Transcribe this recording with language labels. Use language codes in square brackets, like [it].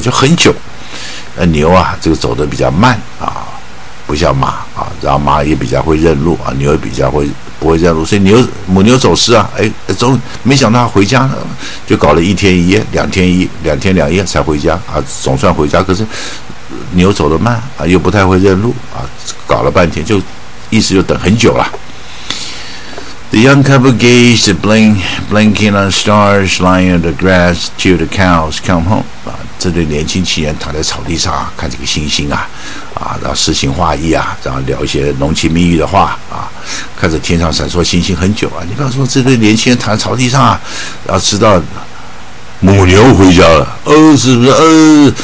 [zh] 就很久，牛啊这个走得比较慢啊，不像马啊，然后马也比较会认路啊，牛也比较会不会认路，所以牛母牛走失啊，哎，总没想到回家了，就搞了一天一夜，两天两夜才回家啊，总算回家。可是牛走得慢啊，又不太会认路啊，搞了半天就意思就等很久了。 [en] The young couple gazed at blinking on stars, lying on the grass till the cows come home. [zh] 这对年轻情人躺在草地上看这个星星啊，然后诗情画意啊，然后聊一些浓情蜜意的话啊，看着天上闪烁星星很久啊。你不要说这对年轻人躺在草地上啊，然后知道母牛回家了，是不是？